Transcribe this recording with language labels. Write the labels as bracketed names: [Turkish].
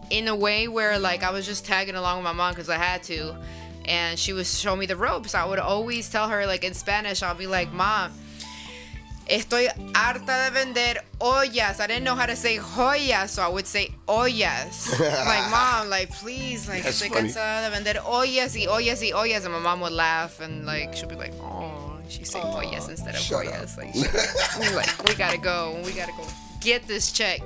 [English] In a way where like I was just tagging along with my mom because I had to. And she would show me the ropes. I would always tell her like in Spanish, I'll be like, Mom, [Spanish] estoy harta de vender ollas. [English] I didn't know how to say joyas, so I would say ollas. Like, Mom, like, please, like, that's [Spanish] estoy cansada de vender ollas y ollas y ollas. [English] And my mom would laugh, and, like, she'd be like, oh, she's saying ollas instead of ollas. Like, we gotta go. We gotta go get this check.